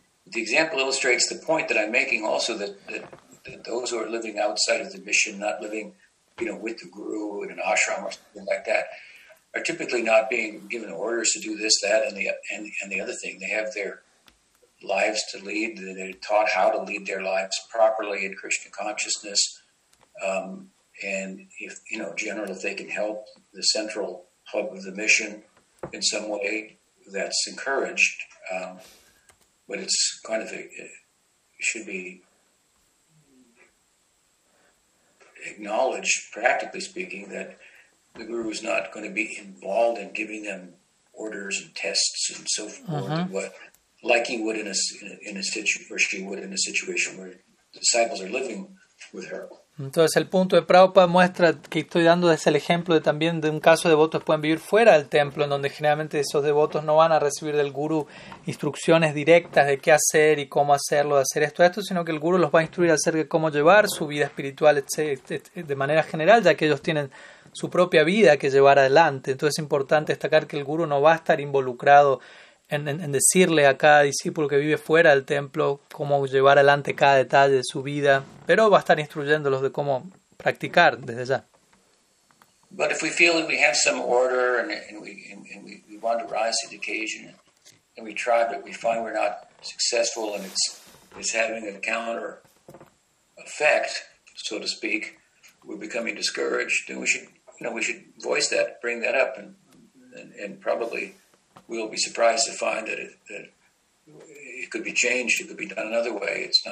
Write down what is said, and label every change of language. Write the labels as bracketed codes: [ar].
[en] The example illustrates the point that I'm making also, that those who are living outside of the mission, not living, you know, with the Guru in an ashram or something like that, are typically not being given orders to do this, that, and the other thing. They have their lives to lead. They're taught how to lead their lives properly in Krishna consciousness. And if, you know, generally if they can help the central hub of the mission in some way, that's encouraged. But it's kind of it should be acknowledged, practically speaking, that the Guru is not going to be involved in giving them orders and tests and so forth, like he would in a situation where disciples are living with her. [es] Entonces el punto de Prabhupada muestra que estoy dando es el ejemplo de también de un caso de devotos pueden vivir fuera del templo, en donde generalmente esos devotos no van a recibir del gurú instrucciones directas de qué hacer y cómo hacerlo, de hacer esto, sino que el gurú los va a instruir acerca de cómo llevar su vida espiritual de manera general, ya que ellos tienen su propia vida que llevar adelante. Entonces es importante destacar que el gurú no va a estar involucrado en decirle a cada discípulo que vive fuera del templo cómo llevar adelante cada detalle de su vida, pero va a estar instruyéndolos de cómo practicar desde ya. [en] But if we feel that we have some order and we want to rise to the occasion and we try but we find we're not successful and it's having a counter effect, so to speak, we're becoming discouraged, then we should voice that, bring that up, and probably we'll be surprised to find that it could be changed, it could be done another way.